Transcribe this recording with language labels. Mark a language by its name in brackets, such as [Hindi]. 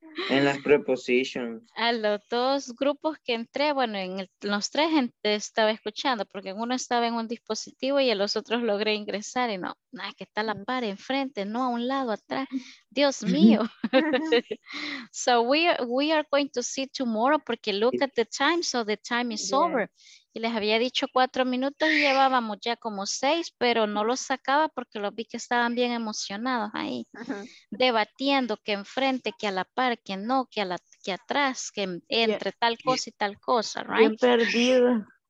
[Spanish] en las prepositions. A los dos grupos que entré, bueno, en los tres estaba escuchando, porque uno estaba en un dispositivo y a los otros logré ingresar y no, nada, que está la par enfrente, no a un lado, atrás. Dios mío. [English] So we are going to see tomorrow, porque look at the time, so the time is over. [Spanish] Y les había dicho 4 minutos y llevábamos ya como 6, pero no los sacaba porque los vi que estaban bien emocionados ahí, debatiendo que enfrente, que a la par, que no, que atrás, que entre tal cosa y tal cosa, right? Bien perdido.